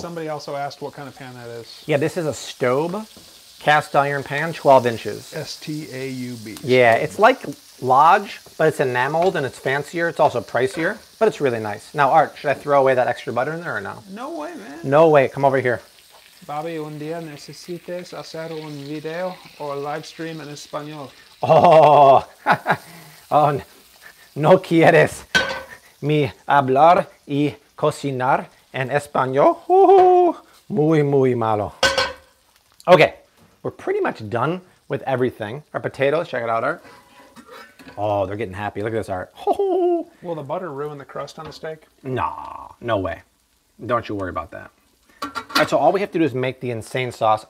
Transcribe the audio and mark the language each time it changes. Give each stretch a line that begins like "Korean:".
English: Somebody also asked what kind of pan that is. Yeah, this is a Staub cast iron pan, 12 inches. S-T-A-U-B. Yeah, it's like Lodge, but it's enameled and it's fancier. It's also pricier, but it's really nice. Now, Art, should I throw away that extra butter in there or no? No way, man. No way. Come over here.
Spanish: Bobby, un día necesites hacer un video
English: or live stream
Spanish: en español. Oh, oh, no quieres mi hablar y cocinar en español? Muy, muy malo.
English: Okay, we're pretty much done with everything. Our potatoes, check it out, Art. Oh, they're getting happy. Look at this, Art. Will the butter ruin the crust on the steak? Nah, no way. Don't you worry about that. All right, so all we have to do is make the insane sauce.